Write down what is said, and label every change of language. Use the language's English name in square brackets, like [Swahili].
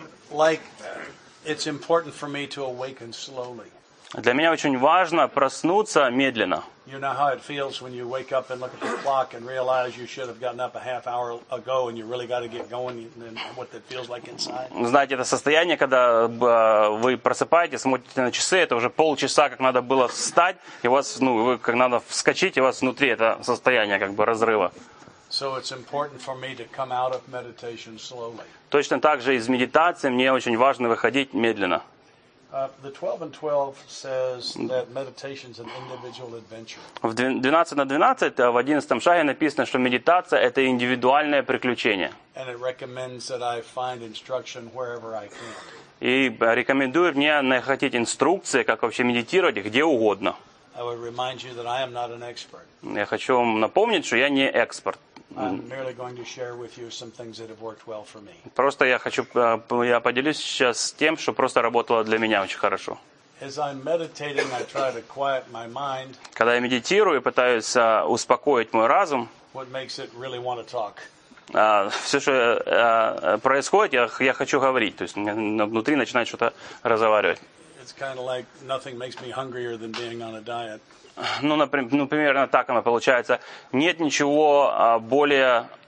[English] Like it's important for me to awaken slowly. [Russian] Для меня очень важно проснуться медленно. [English] You know how it feels when you wake up and look at the clock and realize you should have gotten up a half hour ago and you really got to get going and what that feels like inside. [Russian] Знаете, это состояние, когда вы просыпаетесь, смотрите на часы, это уже полчаса, как надо было встать, и у вас, ну, вы как надо вскочить, и у вас внутри это состояние как бы разрыва. [English] So it's important for me to come out of meditation slowly. [Russian] Точно так же из медитации мне очень важно выходить медленно. [English] The 12 and 12 says that meditation is an individual adventure. [Russian] В 12 на 12, в 11 шаге написано, что медитация это индивидуальное приключение. [English] And it recommends that I find instruction wherever I can. [Russian] И рекомендует мне находить инструкции, как вообще медитировать, где угодно. [English] I would remind you that I am not an expert. [Russian] Я хочу вам напомнить, что я не эксперт. [English] I'm merely going to share with you some things that have worked well for me. [Russian] Просто я поделюсь сейчас тем, что просто работало для меня очень хорошо. [English] As I'm meditating, I try to quiet my mind. [Russian] Когда я медитирую, пытаюсь успокоить мой разум. [English] What makes it really want to talk? [Russian] Все, что происходит, я хочу говорить, то есть внутри начинает что-то разговаривать. [English] It's kind of like nothing makes me hungrier than being on a diet. [Russian] Ну, например, ну, примерно так оно получается. Нет ничего более...